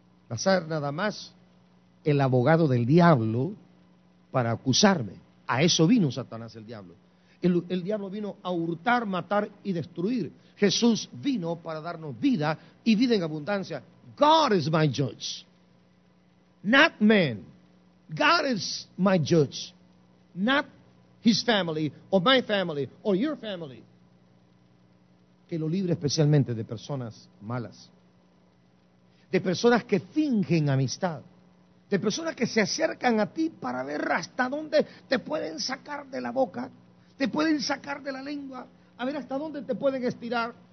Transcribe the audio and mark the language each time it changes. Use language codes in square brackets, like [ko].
[es] Va a ser nada más el abogado del diablo para acusarme. A eso vino Satanás, el diablo. El diablo vino a hurtar, matar y destruir. Jesús vino para darnos vida y vida en abundancia. [en] God is my judge, not man. God is my judge, not his family or my family or your family. [es] Que lo libre especialmente de personas malas, de personas que fingen amistad, de personas que se acercan a ti para ver hasta dónde te pueden sacar de la boca, te pueden sacar de la lengua, a ver hasta dónde te pueden estirar.